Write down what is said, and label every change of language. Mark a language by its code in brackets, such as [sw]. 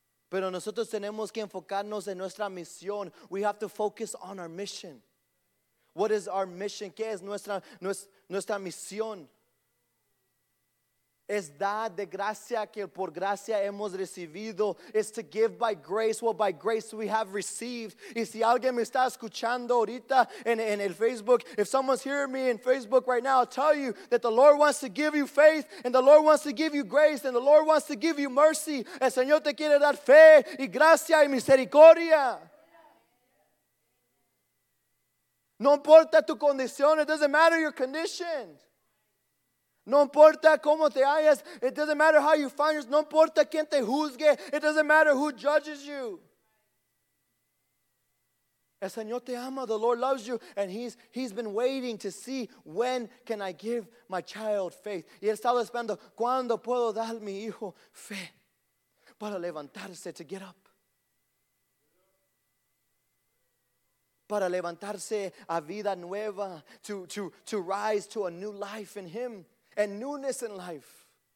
[es] Pero nosotros tenemos que enfocarnos en nuestra misión. [en] We have to focus on our mission. What is our mission? [es] ¿Qué es nuestra misión? Es dar de gracia que por gracia hemos recibido. [en] Es to give by grace what by grace we have received. [es] Y si alguien me está escuchando ahorita en el Facebook, [en] if someone's hearing me in Facebook right now, I'll tell you that the Lord wants to give you faith and the Lord wants to give you grace and the Lord wants to give you mercy. [es] El Señor te quiere dar fe y gracia y misericordia. No importa tu condición. [en] It doesn't matter your condition. [es] No importa cómo te hayas. [en] It doesn't matter how you find yourself. [es] No importa quién te juzgue. [en] It doesn't matter who judges you. [es] El Señor te ama. [en] The Lord loves you. And he's been waiting to see when can I give my child faith. [es] Y él estaba esperando, ¿cuándo puedo dar mi hijo fe? Para levantarse, [en] to get up. [es] Para levantarse a vida nueva. [en] To rise to a new life in him. And newness in life.